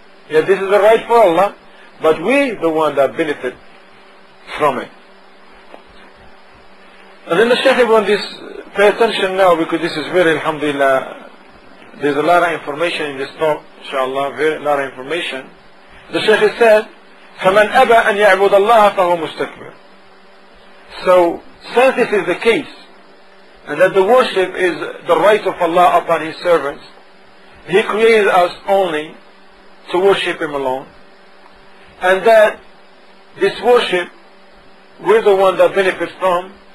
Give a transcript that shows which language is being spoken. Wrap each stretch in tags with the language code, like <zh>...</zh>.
<en>Yet this is a right for Allah, but we the one that benefit from it. And then the Shaykh Ibn this Pay attention now because this is very alhamdulillah. There's a lot of information in this talk, inshallah, very lot of information. The Shaykh has said,</en> <ar>فَمَنْ أَبَى أَنْ يَعْبُدَ اللَّهَ فَهُوْ مُسْتَكْبِرُ.</ar> <en>So, since this is the case, and that the worship is the right of Allah upon His servants, He created us only to worship Him alone, and that this worship, we're the one that benefits from.</en>